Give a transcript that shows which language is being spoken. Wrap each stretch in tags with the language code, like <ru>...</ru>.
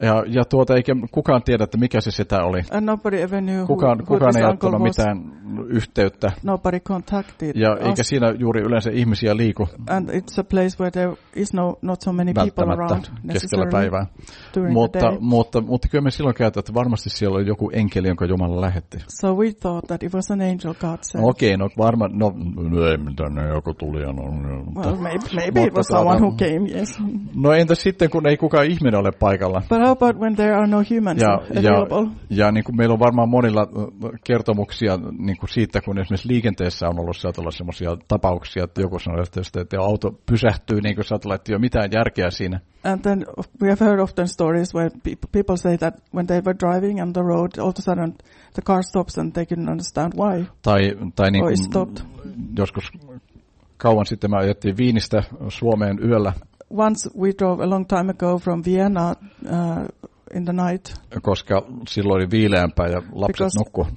<fi>Ja tuota, eikä kukaan tiedä, että mikä se setä oli.</fi> <en>And nobody ever knew</en> <fi>kukaan ei ottanut mitään yhteyttä.</fi> <en>Nobody contacted ja us.</en> <fi>Eikä siinä juuri yleensä ihmisiä liiku.</fi> <en>And it's a place where there is not so many people around necessarily</en> <fi>keskellä päivää. Mutta kyllä me silloin käytetään, että varmasti siellä oli joku enkeli, jonka Jumala lähetti.</fi> <en>So we thought that it was an angel God sent.</en> <fi>Okei, no varmaan, no ei mitään, joku tuli. No,</fi> <en>well, maybe it was someone who came, yes.</en> <fi>No entä sitten, kun ei kukaan ihminen ole paikalla?</fi> <en>But How about when there are no humans available?</en> <fi>Ja niin kuin meillä on varmaan monilla kertomuksia niin kuin siitä, kun esimerkiksi liikenteessä on ollut sellaisia tapauksia, että joku sanoo, että auto pysähtyy, niin kuin satulla, että ei ole mitään järkeä siinä.</fi> <en>And then we have heard often stories where people say that when they were driving on the road, all of a sudden the car stops and they couldn't understand why.</en> <fi>Tai niin kuin joskus kauan sitten me ajettiin Viinistä Suomeen yöllä.</fi> <en>Once we drove a long time ago from Vienna in the night.</en> <fi>Koska silloin oli viileämpää ja lapset nukku.</fi>